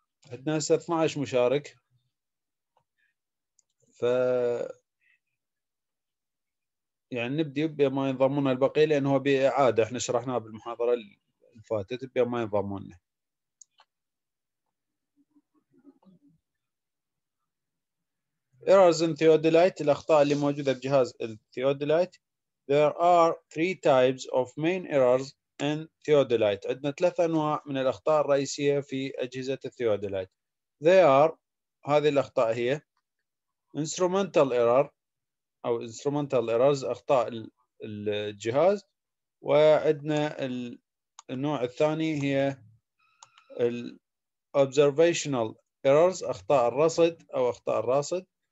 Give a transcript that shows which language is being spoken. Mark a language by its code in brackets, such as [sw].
[ar] عندنا هسه 12 مشارك، ف يعني نبدي بما ينضمون البقية، لأنه هو بإعادة احنا شرحناه بالمحاضرة الفاتت بما ينضمون. [en] Errors in Theodolite, [ar] الأخطاء اللي موجودة بجهاز الثيودولايت. [en] There are three types of main errors in Theodolite. [ar] عندنا ثلاث أنواع من الأخطاء الرئيسية في أجهزة الثيودولايت. [en] They are، [ar] هذه الأخطاء هي [en] Instrumental Error [ar] أو [en] Instrumental Errors، [ar] أخطاء الجهاز. وعندنا النوع الثاني هي [en] Observational Errors، [ar] أخطاء الرصد أو أخطاء الراصد.